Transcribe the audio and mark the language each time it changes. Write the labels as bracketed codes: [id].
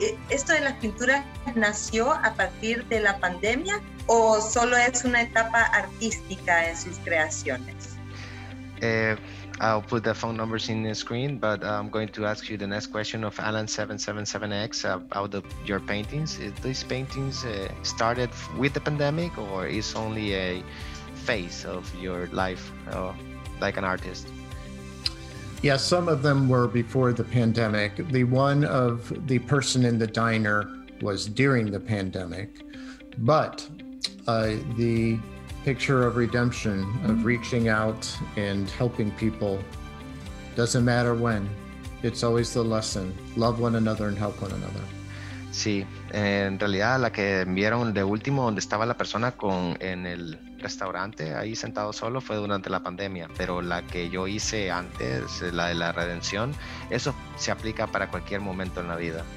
[es] ¿Esto de las pinturas nació a partir de la pandemia o solo es una etapa artística en sus creaciones? [en] I'll put the phone numbers in the screen, but I'm going to ask you the next question of Alan777X about your paintings. Is these paintings started with the pandemic, or is only a phase of your life like an artist? Yes, some of them were before the pandemic. The one of the person in the diner was during the pandemic, but the picture of redemption, of reaching out and helping people, doesn't matter when. It's always the lesson. Love one another and help one another. [es] Sí, en realidad la que vieron de último, donde estaba la persona con en el restaurante ahí sentado solo, fue durante la pandemia. Pero la que yo hice antes, la de la redención, eso se aplica para cualquier momento en la vida.